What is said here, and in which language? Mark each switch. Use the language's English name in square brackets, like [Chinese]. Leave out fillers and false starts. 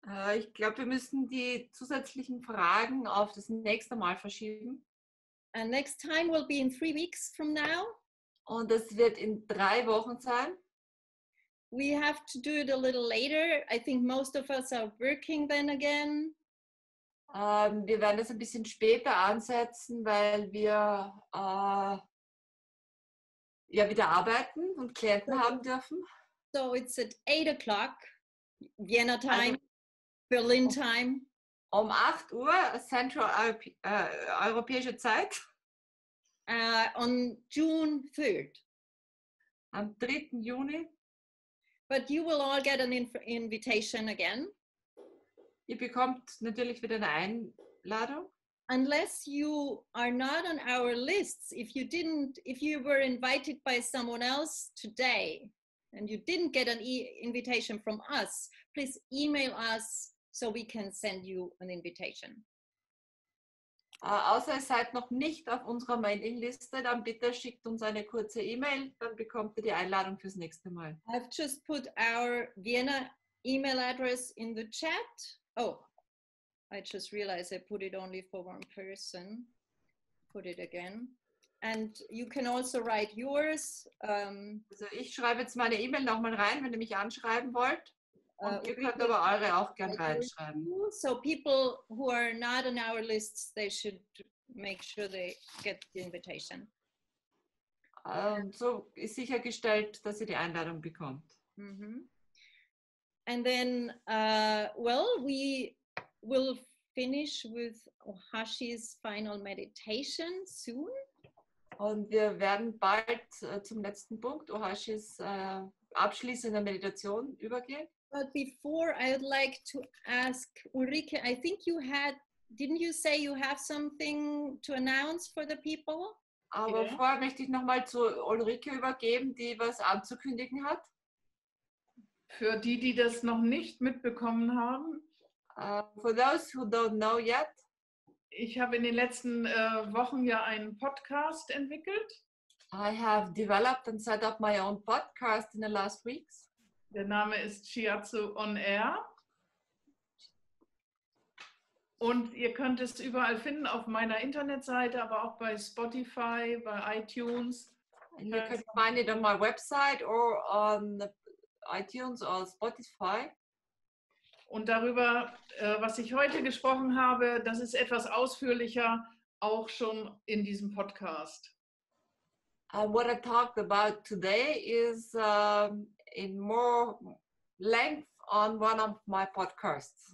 [German] Ich glaube, wir müssen die zusätzlichen Fragen auf das nächste Mal verschieben. [English] And next time will be in 3 weeks from now. [German] Und das wird in 3 Wochen sein. [English] we have to do it a little later. I think most of us are working then again. [German] Wir werden das ein bisschen später ansetzen, weil wir ja wieder arbeiten und Klienten haben dürfen. [English] So it's at 8 o'clock, Vienna time, also, Berlin time. [German] Um 8 Uhr, Central Europäische Zeit. [English] On June 3rd. [German] Am 3. Juni. [English] But you will all get an invitation again. [German] Ihr bekommt natürlich wieder eine Einladung. [English] Unless you are not on our lists, if you were invited by someone else today and you didn't get an invitation from us, please email us so we can send you an invitation. [German] Außer ihr seid noch nicht auf unserer Mailingliste, dann bitte schickt uns eine kurze E-Mail, dann bekommt ihr die Einladung fürs nächste Mal. [English] I've just put our Vienna email address in the chat. Oh, I just realized I put it only for one person. Put it again. And you can also write yours. [German] Also ich schreibe jetzt meine E-Mail nochmal rein, wenn ihr mich anschreiben wollt. Und ihr könnt aber eure auch gerne reinschreiben. [English] So people who are not on our list, they should make sure they get the invitation. [German] So ist sichergestellt, dass ihr die Einladung bekommt. Mm-hmm. [English] And then, well, we will finish with OHASHI's final meditation soon. [German] Und wir werden bald zum letzten Punkt, OHASHI's abschließende Meditation, übergehen. [English] But before, I would like to ask Ulrike, I think you had, didn't you say you have something to announce for the people? [German] Aber [English] yeah. [German] Vorher möchte ich nochmal zu Ulrike übergeben, die was anzukündigen hat. Für die, die das noch nicht mitbekommen haben. [English] For those who don't know yet. [German] Ich habe in den letzten Wochen ja einen Podcast entwickelt. [English] I have developed and set up my own podcast in the last weeks. [German] Der Name ist Shiatsu On Air. Und ihr könnt es überall finden, auf meiner Internetseite, aber auch bei Spotify, bei iTunes. [English] And you can find it on my website or on the iTunes or Spotify. [German] Und darüber, was ich heute gesprochen habe, das ist etwas ausführlicher auch schon in diesem Podcast. [English] What I talked about today is in more length on one of my podcasts.